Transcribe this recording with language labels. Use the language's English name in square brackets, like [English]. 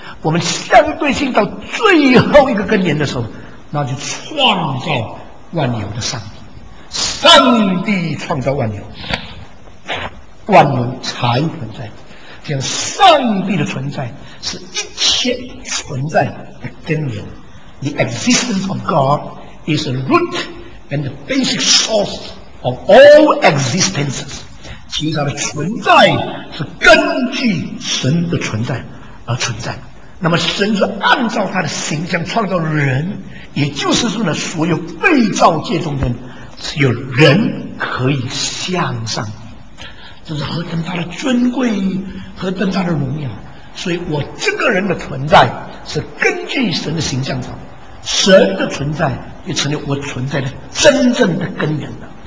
[Chinese] 我们相对性到最后一个根源的时候，那就创造万有的上帝，上帝创造万有，万有才存在。这样上帝的存在是一切存在的根源。 [English] The existence of God is the root and the basic source of all existences， [Chinese] 其他的存在是根据神的存在而存在。那么神是按照他的形象创造人，也就是说呢，所有被造界中的人，只有人可以向上帝，这是何等大的尊贵，何等大的荣耀。所以我这个人的存在是根据神的形象造，神的存在也成为我存在的真正的根源了。